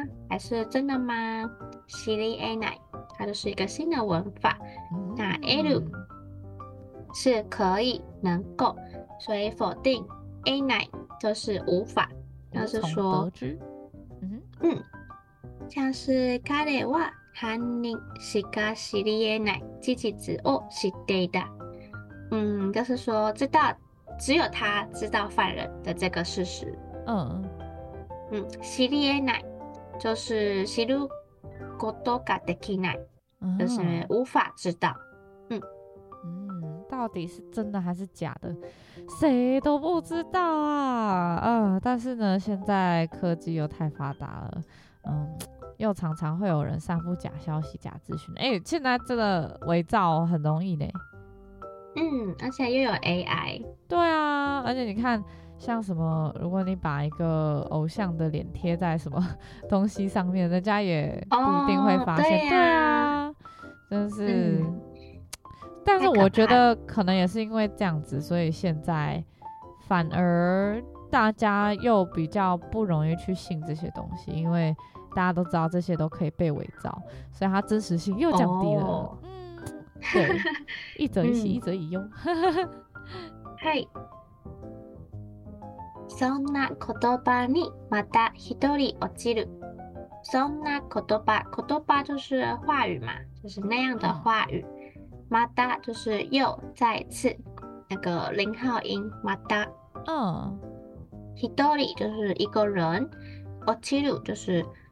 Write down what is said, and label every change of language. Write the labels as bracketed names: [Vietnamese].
[Chinese] 还是真的吗？知り得ない，它就是一个新的文法。那 L 是可以、能够，所以否定 得ない就是无法，就是说，像是 [Japanese] 彼は。犯人しか知り得ない事実を知っていた。 [Chinese] 就是说知道，只有他知道犯人的这个事实。知り得ない就是 [Japanese] 知ることができない， [Chinese] 就是无法知道。到底是真的还是假的，谁都不知道啊。但是呢，现在科技又太发达了。又常常会有人散布假消息、假资讯，哎，现在真的伪造很容易呢。而且又有 AI。对啊，而且你看，像什么，如果你把一个偶像的脸贴在什么东西上面，人家也不一定会发现。对啊，真是。但是我觉得可能也是因为这样子，所以现在反而大家又比较不容易去信这些东西，因为。大家都知道这些都可以被伪造，所以它真实性又降低了。对，一则以喜，一则以忧。 [Japanese] 嗨，そんな言葉にまた一人落ちる。そんな言葉， [Chinese] 言葉就是话语嘛，就是那样的话语。また就是又再次，那个零号音また。一人就是一个人，落ちる就是。